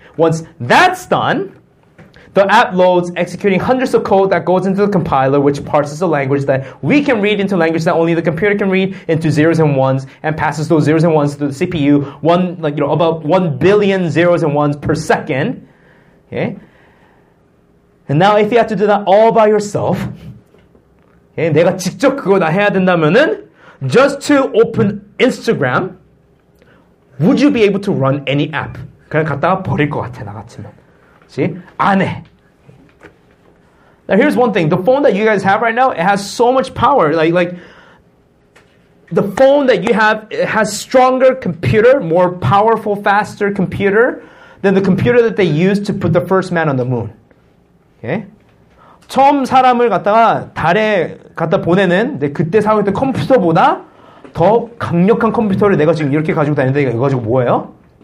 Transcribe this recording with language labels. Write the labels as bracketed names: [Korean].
[English] Once that's done, the app loads, executing hundreds of code that goes into the compiler, which parses the language that we can read into language that only the computer can read into zeros and ones, and passes those zeros and ones to the CPU, about 1 billion zeros and ones per second. Okay. And now if you have to do that all by yourself, okay, [Korean] 내가 직접 그걸 다 해야 된다면은, [English] just to open Instagram, would you be able to run any app? [Korean] 그냥 갖다가 버릴 것 같아, 나 같으면. See? 안 해. [English] Now here's one thing. The phone that you guys have right now, it has so much power. Like the phone that you have, it has stronger computer, more powerful, faster computer than the computer that they used to put the first man on the moon. Okay? [Korean] 처음 사람을 갖다가 달에 갖다 보내는 그때 사용했던 컴퓨터보다 더 강력한 컴퓨터를 내가 지금 이렇게 가지고 다니는데 이거 가지고 뭐예요?